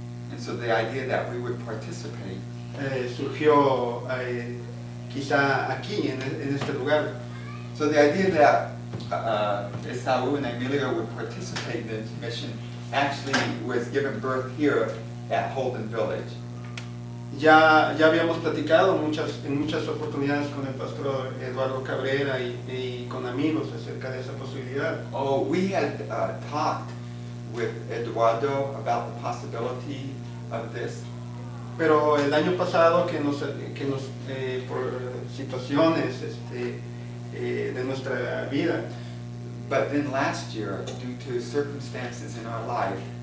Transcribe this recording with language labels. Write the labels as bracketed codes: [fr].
[en] and so the idea that we would participate, [es] surgió quizá aquí, en este lugar. [en] So the idea that Esaú and Emilio would participate in this mission actually was given birth here at Holden Village. [es] Ya habíamos platicado en muchas oportunidades con el pastor Eduardo Cabrera y con amigos acerca de esa posibilidad. [en] Oh, we had talked with Eduardo about the possibility of this. [es] Pero el año pasado que nos por situaciones de nuestra vida. [en] But then last year, due to circumstances in our life,